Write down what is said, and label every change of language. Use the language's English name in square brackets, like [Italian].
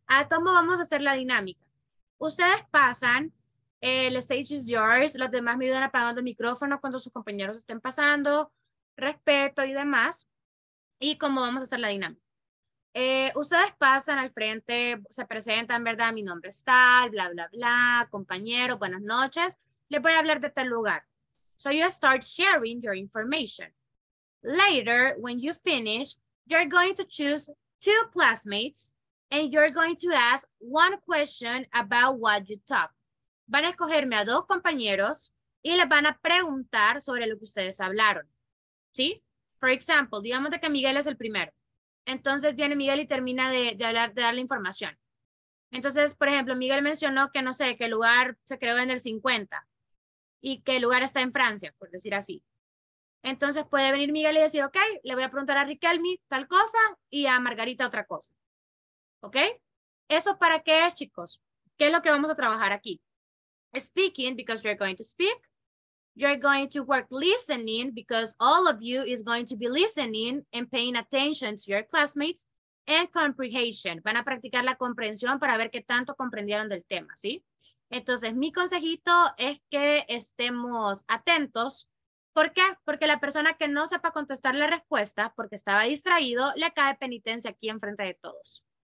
[Spanish] ¿Cómo vamos a hacer la dinámica? Ustedes pasan, el [English] stage is yours, [Spanish] los demás me ayudan apagando el micrófono cuando sus compañeros estén pasando, respeto y demás, y cómo vamos a hacer la dinámica. Ustedes pasan al frente, se presentan, ¿verdad? Mi nombre es tal, bla, bla, bla, compañero, buenas noches, les voy a hablar de tal lugar. [English] So you start sharing your information. Later, when you finish, you're going to choose two classmates, and you're going to ask one question about what you talk. [Spanish] Van a escogerme a dos compañeros y les van a preguntar sobre lo que ustedes hablaron. ¿Sí? [English] For example, [Spanish] digamos de que Miguel es el primero. Entonces viene Miguel y termina de hablar, de dar la información. Entonces, por ejemplo, Miguel mencionó que no sé, que el lugar se creó en el 50 y que el lugar está en Francia, por decir así. Entonces puede venir Miguel y decir, ok, le voy a preguntar a Riquelme tal cosa y a Margarita otra cosa. ¿Ok? ¿Eso para qué es, chicos? ¿Qué es lo que vamos a trabajar aquí? [English] Speaking, because you're going to speak. You're going to work listening, because all of you is going to be listening and paying attention to your classmates. And comprehension. [Spanish] Van a practicar la comprensión para ver qué tanto comprendieron del tema, ¿sí? Entonces, mi consejito es que estemos atentos. ¿Por qué? Porque la persona que no sepa contestar la respuesta, porque estaba distraído, le cae penitencia aquí enfrente de todos.